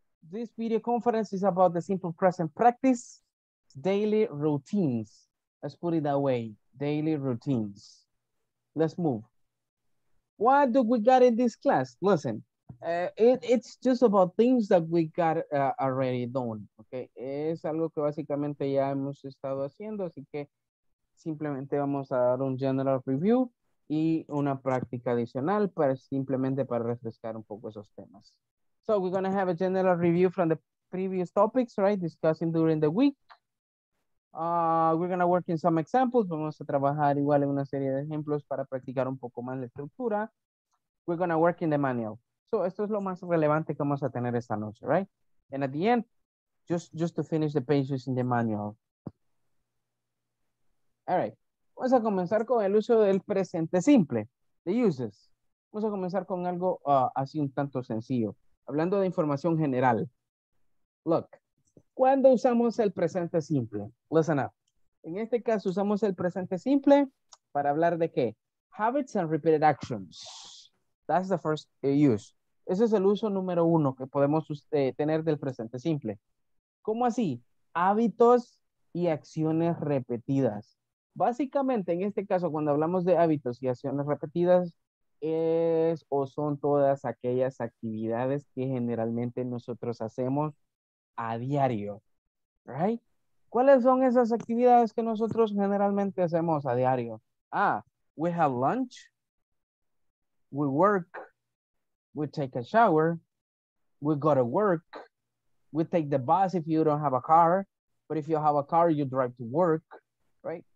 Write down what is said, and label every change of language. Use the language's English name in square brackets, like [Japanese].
[English] This video conference is about the simple present practice, daily routines. Let's put it that way, daily routines. Let's move. What do we got in this class? Listen, it's just about things that we got already done. [Spanish] Okay, es algo que básicamente ya hemos estado haciendo, así que simplemente vamos a dar un general review y una práctica adicional para simplemente para refrescar un poco esos temas. [English] So we're gonna have a general review from the previous topics, right? Discussing during the week. We're gonna work in some examples. [Spanish] Vamos a trabajar igual en una serie de ejemplos para practicar un poco más la estructura. [English] We're gonna work in the manual. [Spanish] So esto es lo más relevante que vamos a tener esta noche, right? [English] And at the end, just to finish the pages in the manual. [Spanish] All right. Vamos a comenzar con el uso del presente simple, [English] the uses. [Spanish] Vamos a comenzar con algo así un tanto sencillo. Hablando de información general. Look, ¿cuándo usamos el presente simple? [English] Listen up. [Spanish] En este caso usamos el presente simple para hablar de qué? [English] Habits and repeated actions. That's the first use. [Spanish] Ese es el uso número uno que podemos tener del presente simple. ¿Cómo así? Hábitos y acciones repetidas. Básicamente, en este caso, cuando hablamos de hábitos y acciones repetidas, es o son todas aquellas actividades que generalmente nosotros hacemos a diario, right? ¿Cuáles son esas actividades que nosotros generalmente hacemos a diario? [English] Ah, we have lunch, we work, we take a shower, we go to work, we take the bus if you don't have a car, but if you have a car, you drive to work, right?